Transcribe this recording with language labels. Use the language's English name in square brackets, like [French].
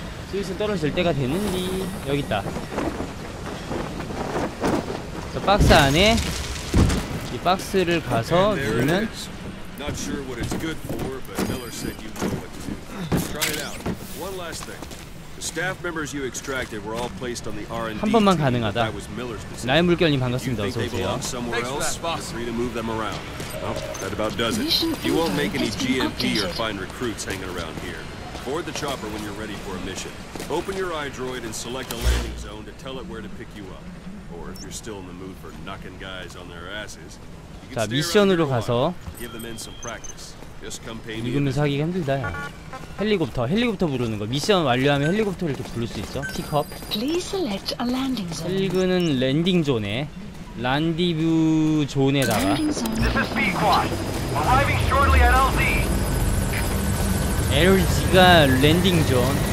[Korean] 슬슬 떨어질 때가 됐는디. 여기 있다. 저 박스 안에 이 박스를 가서 누르면 [English] Not sure what it's good for, but Miller said you know what to do. Try it out. One last thing. The staff members you extracted were all placed on the R&D. [Korean] 한 번만 가능하다. 나의 물결님 반갑습니다. 어서 오세요. [English] Thanks for that, boss. Free to move them around. Well, that about does it. You won't make any GMP or find recruits hanging around here. Board the chopper when you're ready for a mission. Open your iDroid and select a landing zone to tell it where to pick you up. Or if you're still in the mood for knocking guys on their asses. [Korean] 자, 미션으로 가서 이거는 사기가 힘들다. 야. 헬리콥터 부르는 거. 미션 완료하면 헬리콥터를 이렇게 부를 수 있어. 픽업. 헬그는 랜딩 존에 란디뷰 존에다가 LZ가 랜딩 존